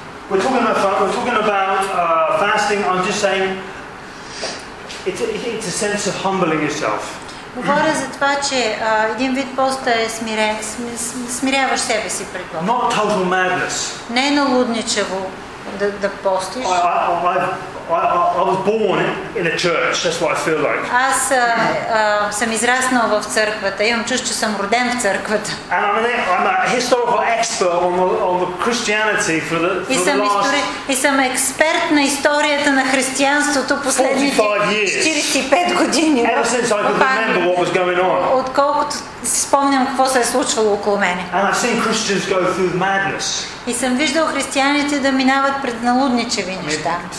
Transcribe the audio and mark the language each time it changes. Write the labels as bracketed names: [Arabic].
[English] We're talking about fasting. I'm just saying it's a sense of humbling yourself. [Bulgarian] Говоря за това, че един вид пост е смиряваш себе си пред Бога. [English] Not total madness. [Bulgarian] Не е налудничаво да постиш. [English] I was born in a church. That's what I feel like. [Bulgarian] Аз съм израснал в църквата. Имам чувство, че съм роден в църквата. [English] And I'm a historical expert on the Christianity [Bulgarian] съм експерт на историята на християнството последните 45 години. [English] Ever since I could remember what was going on. [Bulgarian] Отколкото си спомням какво се е случвало около мене. [English] And I've seen Christians go through madness. [Bulgarian] И съм виждал християните да минават пред налудничеви неща.